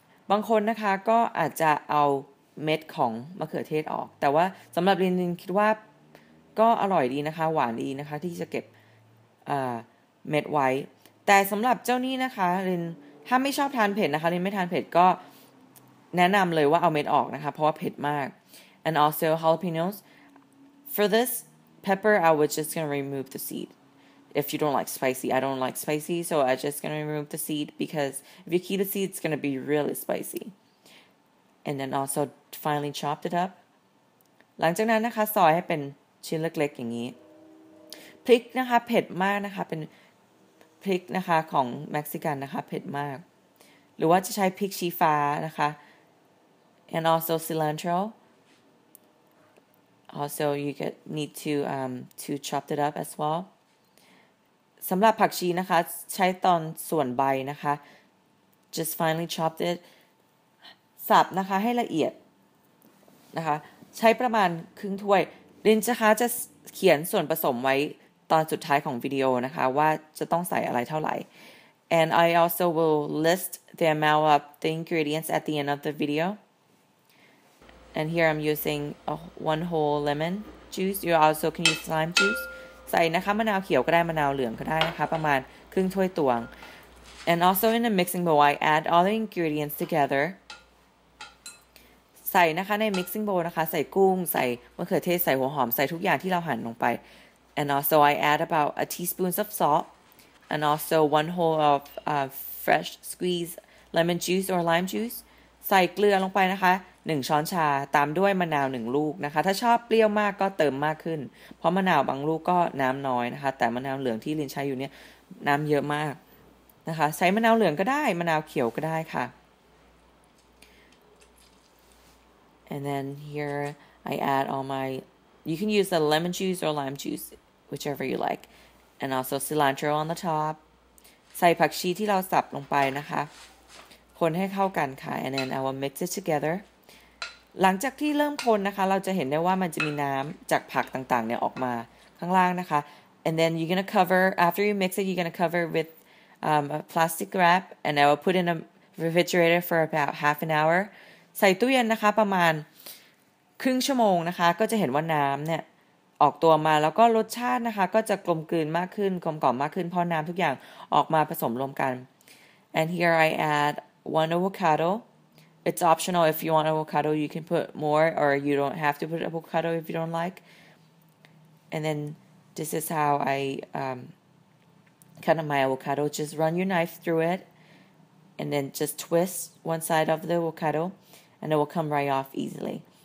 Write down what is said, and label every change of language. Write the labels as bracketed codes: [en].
[th] บางคนนะคะก็อาจจะเอาเม็ดของมะเขือเทศออกแต่ว่าสำหรับลินคิดว่าก็อร่อยดีนะคะหวานดีนะคะที่จะเก็บเม็ดไว้แต่สำหรับเจ้านี้นะคะลินถ้าไม่ชอบทานเผ็ดนะคะลินไม่ทานเผ็ดก็แนะนำเลยว่าเอาเม็ดออกนะคะเพราะว่าเผ็ดมาก [en] And also jalapenos for thispepper I was just going to remove the seed if you don't like spicy I don't like spicy so I just going to remove the seed because if you keep the seed it's going to be really spicy and then also finely chopped it up [th] หลังจากนั้นนะคะซอยให้เป็นชิ้นเล็กๆอย่างนี้พริกนะคะเผ็ดมากนะคะเป็นพริกนะคะของเม็กซิกันนะคะเผ็ดมากหรือว่าจะใช้พริกชี้ฟ้านะคะ [en] and also cilantroAlso, you get need to chop it up as well. [th] สำหรับผักชีนะคะใช้ตอนส่วนใบนะคะ [en] just finely chopped it. [th] สับนะคะให้ละเอียดนะคะใช้ประมาณครึ่งถ้วยรินจะคะจะเขียนส่วนผสมไว้ตอนสุดท้ายของวิดีโอนะคะว่าจะต้องใส่อะไรเท่าไหร่ [en] And I also will list the amount of the ingredients at the end of the video. And here I'm using a one whole lemon juice. You also can use lime juice. [th] ใส่นะคะมะนาวเขียวก็ได้มะนาวเหลืองก็ได้นะคะประมาณครึ่งถ้วยตวง [en] And also in a mixing bowl I add all the ingredients together. [th] ใส่นะคะใน mixing bowl นะคะใส่กุ้งใส่มะเขือเทศใส่หัวหอมใส่ทุกอย่างที่เราหั่นลงไป [en] and also I add about a teaspoon of salt and also one whole of fresh squeezed lemon juice or lime juice [th] ใส่เกลือลงไปนะคะ1ช้อนชาตามด้วยมะนาว1ลูกนะคะถ้าชอบเปรี้ยวมากก็เติมมากขึ้นเพราะมะนาวบางลูกก็น้ำน้อยนะคะแต่มะนาวเหลืองที่ลินใช้อยู่เนี่ยน้ำเยอะมากนะคะใช้มะนาวเหลืองก็ได้มะนาวเขียวก็ได้ค่ะ [en] And then here I add all my, you can use the lemon juice or lime juice, whichever you like. And also cilantro on the top. [th] ใส่ผักชีที่เราสับลงไปนะคะคนให้เข้ากันค่ะ [en] And then I will mix it together. [th] หลังจากที่เริ่มคนนะคะเราจะเห็นได้ว่ามันจะมีน้ำจากผักต่างๆเนี่ยออกมาข้างล่างนะคะ [en] And then you're going to cover, after you mix it, you're going to cover with a plastic wrap. And I will put in a refrigerator for about half an hour. [th] ใส่ตู้เย็นนะคะประมาณครึ่งชั่วโมงนะคะก็จะเห็นว่าน้ำเนี่ยออกตัวมาแล้วก็รสชาตินะคะก็จะกลมกลืนมากขึ้นกลมกล่อมมากขึ้นเพราะน้ำทุกอย่างออกมาผสมรวมกัน [en] and here I add one avocado it's optional if you want avocado you can put more or you don't have to put avocado if you don't like and then this is how I cut my avocado just run your knife through itAnd then just twist one side of the avocado, and it will come right off easily.